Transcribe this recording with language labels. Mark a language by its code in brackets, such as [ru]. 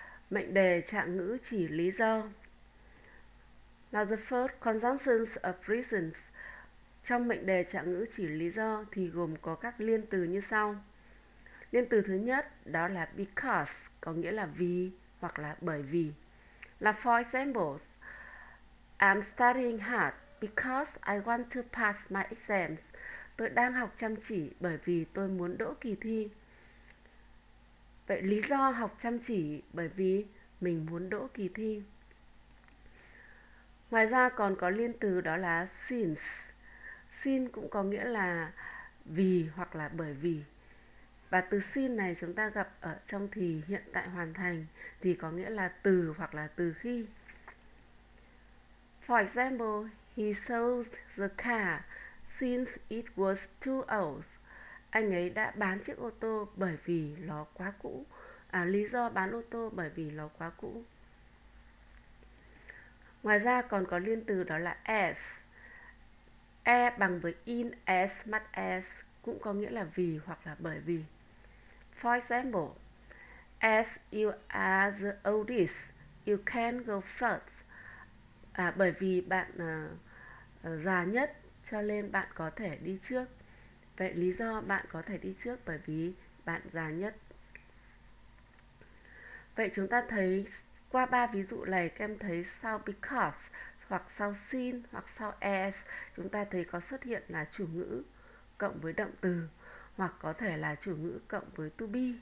[vi] Mệnh đề trạng ngữ chỉ lý do. [en] Now the first conjunctions of presence. [vi] Trong mệnh đề trạng ngữ chỉ lý do thì gồm có các liên từ như sau. Liên từ thứ nhất đó là because, có nghĩa là vì hoặc là bởi vì. [en] Là for example, I'm studying hard because I want to pass my exams. [vi] Tôi đang học chăm chỉ bởi vì tôi muốn đỗ kỳ thi. Vậy lý do học chăm chỉ bởi vì mình muốn đỗ kỳ thi. Ngoài ra còn có liên từ đó là since. Since cũng có nghĩa là vì hoặc là bởi vì. Và từ since này chúng ta gặp ở trong thì hiện tại hoàn thành thì có nghĩa là từ hoặc là từ khi. [en] For example, he sold the car since it was too old. [vi] Anh ấy đã bán chiếc ô tô bởi vì nó quá cũ. À, lý do bán ô tô bởi vì nó quá cũ. Ngoài ra còn có liên từ đó là as. E bằng với in as much as cũng có nghĩa là vì hoặc là bởi vì. [en] For example, as you are the oldest, you can go first. [vi] À, bởi vì bạn già nhất cho nên bạn có thể đi trước. Vậy lý do bạn có thể đi trước bởi vì bạn già nhất. Vậy chúng ta thấy qua ba ví dụ này, các em thấy sau because hoặc sau since hoặc sau as chúng ta thấy có xuất hiện là chủ ngữ cộng với động từ hoặc có thể là chủ ngữ cộng với to be.